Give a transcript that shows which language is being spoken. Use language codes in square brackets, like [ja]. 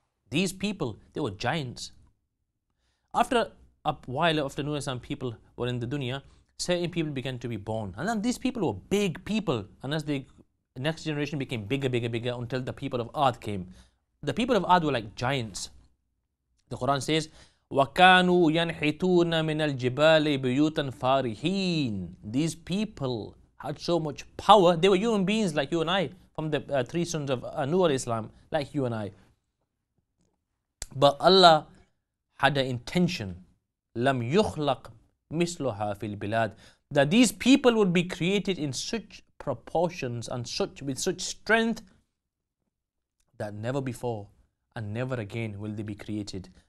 [en] These people, they were giants. After a while, after Nuh alayhi salam, people were in the dunya, certain people began to be born. And then these people were big people. And as they next generation became bigger, bigger, bigger until the people of Ad came. The people of Ad were like giants. The Quran says, [ar] وَكَانُوا يَنْحِتُونَ مِنَ الْجِبَالِ بُيُوتًا فَارِحِينَ. [en] These people had so much power. They were human beings like you and I, from the three sons of Nuh alayhi salam, like you and I. But Allah had an intention, [ar] لَمْ يُخْلَقْ مِسْلُهَا فِي الْبِلَادِ, [en] that these people would be created in such proportions and such with such strength that never before and never again will they be created.